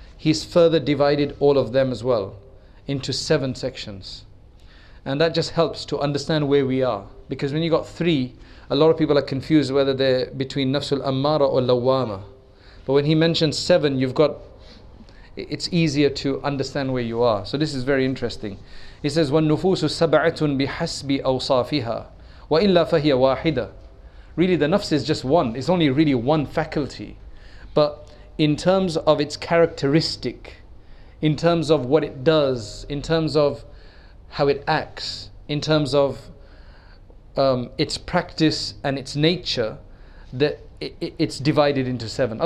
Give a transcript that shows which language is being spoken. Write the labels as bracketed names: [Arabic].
[English] He's further divided all of them as well into seven sections. And that just helps to understand where we are. Because when you got three, a lot of people are confused whether they're between nafsul ammara or lawwama. But when he mentions seven, you've got, it's easier to understand where you are. So this is very interesting. He says, [Arabic] وَالنُّفُوسُ سَبْعَةٌ بِحَسْبِ أَوْصَافِهَا وَإِلَّا فَهِيَ وَاحِدَةٌ. [English] Really, the nafs is just one. It's only really one faculty. But in terms of its characteristic, in terms of what it does, in terms of how it acts, in terms of its practice and its nature, that it's divided into seven.